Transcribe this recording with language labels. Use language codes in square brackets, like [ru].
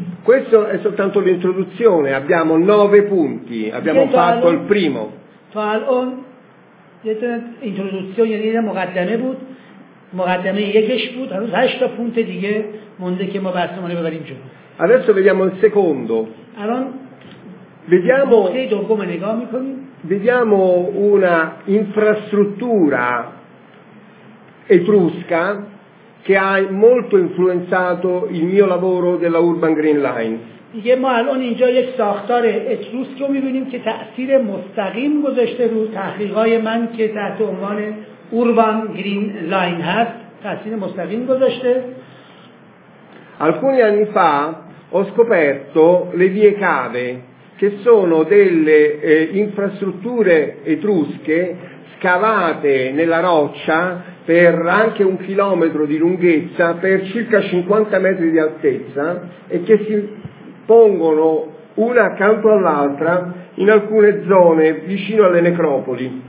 [it] Questo è soltanto l'introduzione. Abbiamo 9 punti. Abbiamo fatto il primo. [fa] تا الان اینتروداکشن یعنی مقدمه بود. مقدمه یکش بود. هنوز 8 تا پونت دیگه مونده که ما بحثمون رو ببریم جلو. [it] Adesso vediamo il secondo. [fa] الان [it] vediamo che come [fa] نگاه می‌کنیم. [it] Vediamo una infrastruttura etrusca che ha molto influenzato il mio lavoro della Urban Green Line. [fa] دیگه ما الان اینجا یک ساختار اتروسکو میبینیم که تأثیر مستقیم گذاشته رو تحقیقات من که تحت عنوان Urban Green Line هست، تأثیر مستقیم گذاشته. [it] Alcuni anni fa ho scoperto le vie cave che sono delle infrastrutture etrusche scavate nella roccia per anche un chilometro di lunghezza per circa 50 metri di altezza e che si pongono una accanto all'altra in alcune zone vicino alle necropoli.